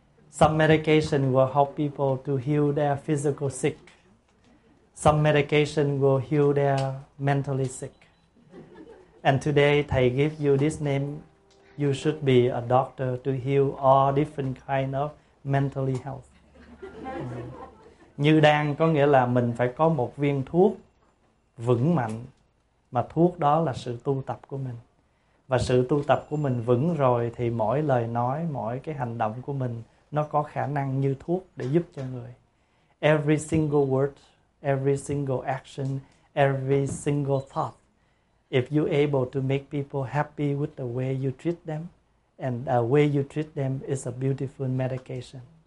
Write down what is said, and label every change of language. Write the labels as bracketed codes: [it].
[en] Some medication will help people to heal their physical sick. Some medication will heal their mentally sick. And today Thầy give you this name. You should be a doctor to heal all different kind of mentally health. [vi] Như đan có nghĩa là mình phải có một viên thuốc vững mạnh, mà thuốc đó là sự tu tập của mình. Và sự tu tập của mình vững rồi thì mỗi lời nói, mỗi cái hành động của mình nó có khả năng như thuốc để giúp cho người. [en] Every single word, every single action, every single thought, if you able to make people happy with the way you treat them, and the way you treat them is a beautiful medication.